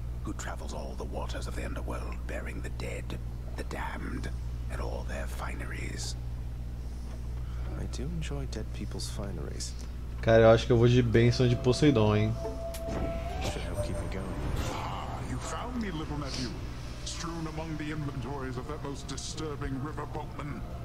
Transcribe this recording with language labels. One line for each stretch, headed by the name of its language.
English: Who travels all the waters of the underworld, bearing the dead, the damned, and all their fineries. I do enjoy dead people's fineries.
Portuguese: Cara, eu acho que eu vou de bênção de Poseidon, hein?
English: Should help keep me going. Ah, you found me, little nephew. Strewn among the inventories of that most disturbing river boatman.